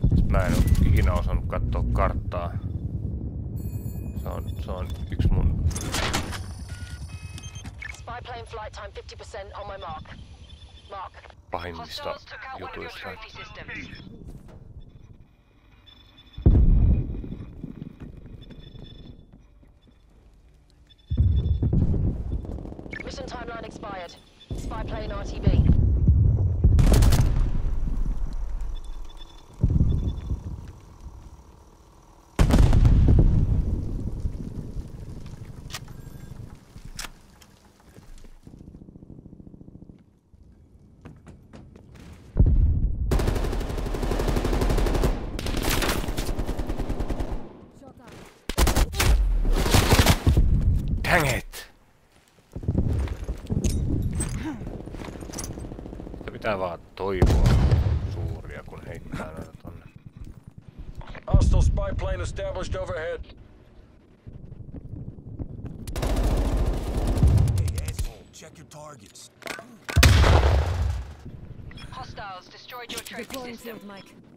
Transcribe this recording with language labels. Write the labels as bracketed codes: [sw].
[fi] Mä en ole ikinä osannut katsoa karttaa. Se on yksi mun. [en] Spy plane flight time 50% on my mark. Mark. [fi] Pahimmista jutuista. [en] Mission timeline expired. Spy plane RTB. Dang it! [fi] Sitä pitää vaan toivoa suuria, kun heittää näitä tonne. [en] Hostile spy plane established overhead. Hey asshole, check your targets. Hostiles destroyed your trophy system. Deploying field, Mike.